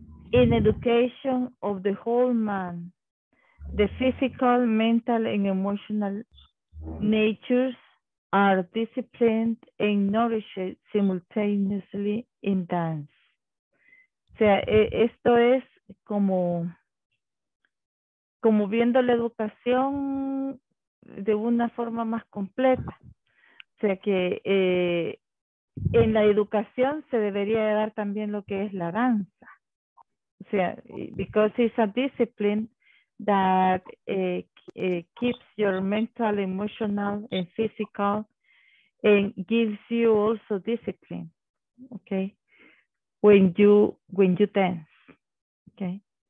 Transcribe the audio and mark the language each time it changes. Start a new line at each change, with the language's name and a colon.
English: In education of the whole man, the physical, mental, and emotional natures are disciplined and nourished simultaneously in dance.
Spanish: O sea, esto es como viendo la educación de una forma más completa. O sea, que en la educación se debería dar también lo que es la danza. O sea,
English: because it's a discipline that keeps your mental, emotional, and physical, and gives you also discipline, okay? When you dance, okay?